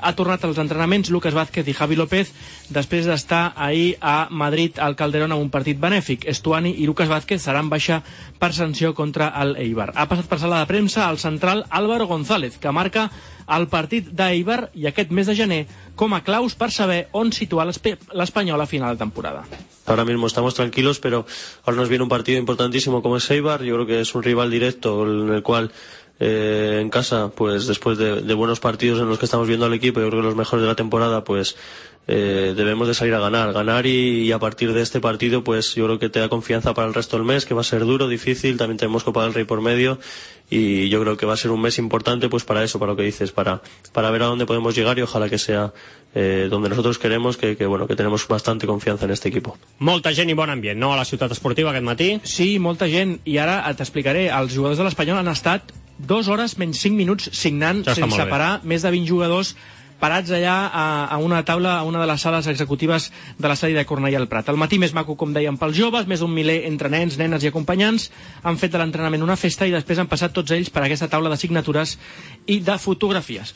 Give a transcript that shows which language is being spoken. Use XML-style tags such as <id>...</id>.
<ca>Ha tornat als entrenaments Lucas Vázquez i Javi López després d'estar ahir a Madrid al Calderón en un partit benèfic. Estuani i Lucas Vázquez seran baixa per sanció contra el Eibar. Ha passat per sala de premsa el central Álvaro González, que marca el partit d'Eibar i aquest mes de gener com a claus per saber on situar l'Espanyol a final de temporada.</ca> <es>Ahora mismo estamos tranquilos, pero ahora nos viene un partido importantísimo como es Eibar. Yo creo que es un rival directo en el cual en casa, pues después de buenos partidos en los que estamos viendo al equipo, yo creo que los mejores de la temporada, pues debemos de salir a ganar y a partir de este partido, pues yo creo que te da confianza para el resto del mes, que va a ser duro, difícil, también tenemos Copa del Rey por medio y yo creo que va a ser un mes importante pues para eso, para lo que dices, para ver a dónde podemos llegar y ojalá que sea donde nosotros queremos, que bueno, que tenemos bastante confianza en este equipo.</es> <ca>Molta gent i bon ambient, no?, a la ciutat esportiva aquest matí. Sí, molta gent, i ara t'explicaré, els jugadors de l'Espanyol han estat 2 hores menys 5 minuts signant ja sense parar, més de 20 jugadors parats allà a una taula, a una de les sales executives de la sèrie de Cornellà al Prat. El matí més maco, com dèiem, pels joves, més d'un miler entre nens, nenes i acompanyants, han fet de l'entrenament una festa i després han passat tots ells per aquesta taula de signatures i de fotografies.</ca>